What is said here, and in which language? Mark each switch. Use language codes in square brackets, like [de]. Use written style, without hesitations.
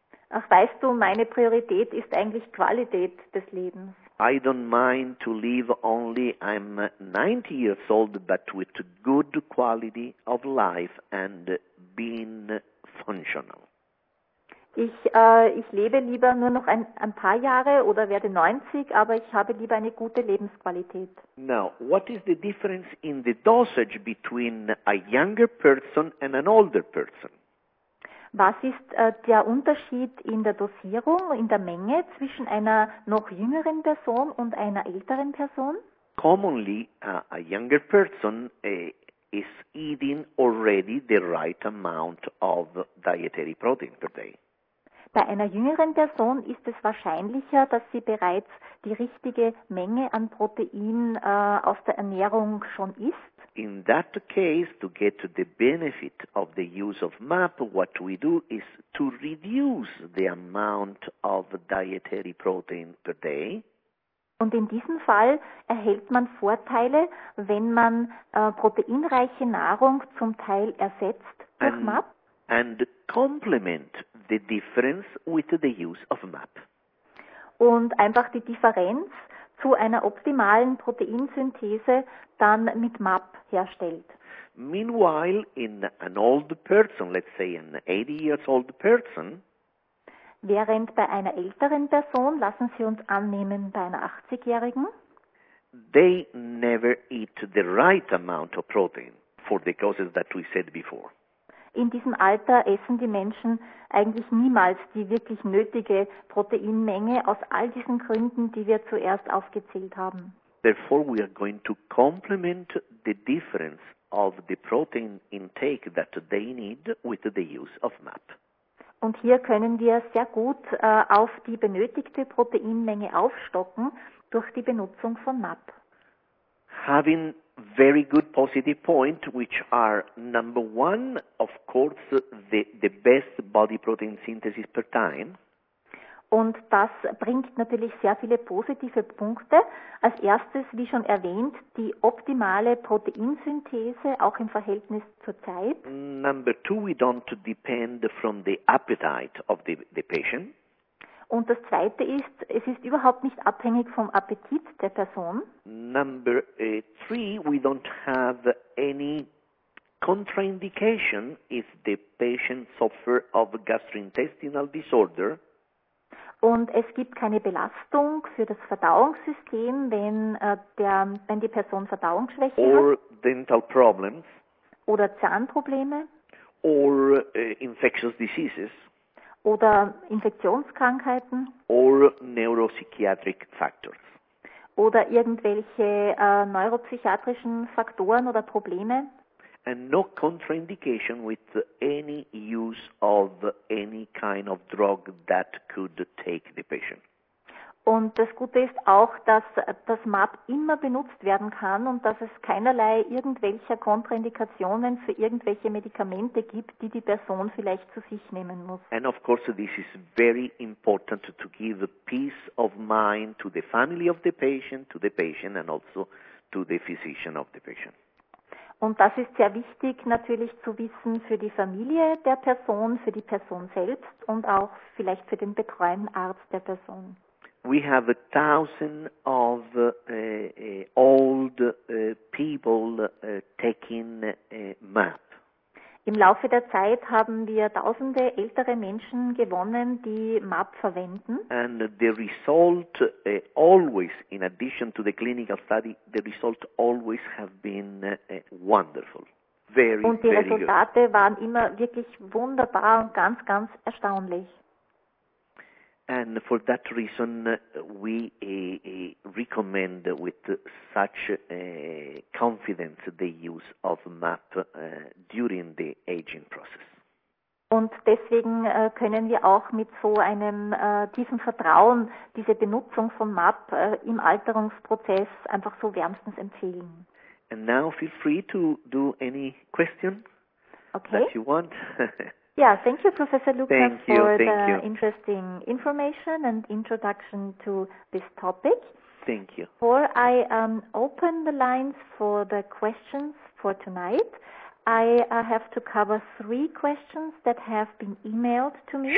[de] Ach, weißt du, meine Priorität ist eigentlich Qualität des Lebens. [en] I don't mind to live only, I'm 90 years old, but with good quality of life and being functional. [de] Ich lebe lieber nur noch ein paar Jahre oder werde 90, aber ich habe lieber eine gute Lebensqualität. [en] Now, what is the difference in the dosage between a younger person and an older person? [de] Was ist der Unterschied in der Dosierung, in der Menge zwischen einer noch jüngeren Person und einer älteren Person? [en] Commonly, a younger person is eating already the right amount of dietary protein per day. [de] Bei einer jüngeren Person ist es wahrscheinlicher, dass sie bereits die richtige Menge an Protein aus der Ernährung schon isst. [en] In that case, to get to the benefit of the use of MAP, what we do is to reduce the amount of dietary protein per day. [de] Und in diesem Fall erhält man Vorteile, wenn man proteinreiche Nahrung zum Teil ersetzt durch MAP. [en] And complement the difference with the use of MAP. [de] Und einfach die Differenz zu einer optimalen Proteinsynthese dann mit MAP herstellt. [en] Meanwhile, in an old person, let's say an 80 years old person, [de] während bei einer älteren Person, lassen Sie uns annehmen, bei einer 80-Jährigen, [en] they never eat the right amount of protein for the causes that we said before. [de] In diesem Alter essen die Menschen eigentlich niemals die wirklich nötige Proteinmenge aus all diesen Gründen, die wir zuerst aufgezählt haben. [en] Therefore, we are going to complement the difference of the protein intake that they need with the use of MAP. [de] Und hier können wir sehr gut auf die benötigte Proteinmenge aufstocken durch die Benutzung von MAP. [en] Having very good positive point, which are number one, of course, the best body protein synthesis per time. [de] Und das bringt natürlich sehr viele positive Punkte. Als erstes, wie schon erwähnt, die optimale Proteinsynthese, auch im Verhältnis zur Zeit. [en] Number two, we don't depend from the appetite of the patient. [de] Und das zweite ist, es ist überhaupt nicht abhängig vom Appetit der Person. [en] Number three, we don't have any contraindication if the patient suffers of gastrointestinal disorder. [de] Und es gibt keine Belastung für das Verdauungssystem, wenn die Person Verdauungsschwäche [en] or [de] hat. [en] Dental problems. [de] Oder Zahnprobleme. [en] Or infectious diseases. [de] Oder Infektionskrankheiten. [en] Or neuropsychiatric factors. [de] Oder irgendwelche neuropsychiatrischen Faktoren oder Probleme. [en] And no contraindication with any use of any kind of drug that could take the patient. [de] Und das Gute ist auch, dass das MAP immer benutzt werden kann und dass es keinerlei irgendwelcher Kontraindikationen für irgendwelche Medikamente gibt, die die Person vielleicht zu sich nehmen muss. [en] And of course, this is very important to give peace of mind to the family of the patient and also to the physician of the patient. [de] Und das ist sehr wichtig natürlich zu wissen für die Familie der Person, für die Person selbst und auch vielleicht für den betreuenden Arzt der Person. [en] We have a thousand of old people taking MAP. [de] Im Laufe der Zeit haben wir tausende ältere Menschen gewonnen, die MAP verwenden. [en] And the result always, in addition to the clinical study, the result always have been wonderful. very, [de] und die Resultate waren immer wirklich wunderbar und ganz, ganz erstaunlich. [en] And for that reason, we recommend with such confidence the use of MAP during the aging process. [de] Und deswegen können wir auch mit so einem tiefen Vertrauen diese Benutzung von MAP im Alterungsprozess einfach so wärmstens empfehlen. [en] And now feel free to do any question that you want. Yeah, thank you, Professor Lucas, interesting information and introduction to this topic. Thank you. Before I open the lines for the questions for tonight, I have to cover three questions that have been emailed to me.